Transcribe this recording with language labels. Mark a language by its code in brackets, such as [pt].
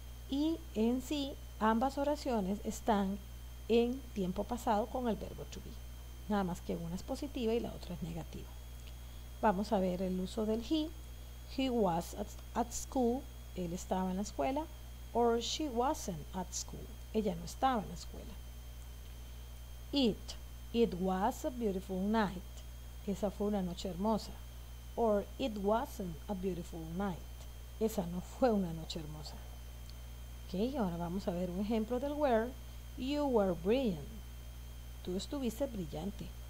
[es] Y en sí, ambas oraciones están en tiempo pasado con el verbo to be. Nada más que una es positiva y la otra es negativa. Vamos a ver el uso del he. [en] He was at school. [es] Él estaba en la escuela. [en] Or she wasn't at school. [es] Ella no estaba en la escuela. [en] It was a beautiful night. [es] Esa fue una noche hermosa. [en] Or it wasn't a beautiful night. [es] Esa no fue una noche hermosa. Ok, ahora vamos a ver un ejemplo del where. [en] You were brilliant. [es] Tú estuviste brillante.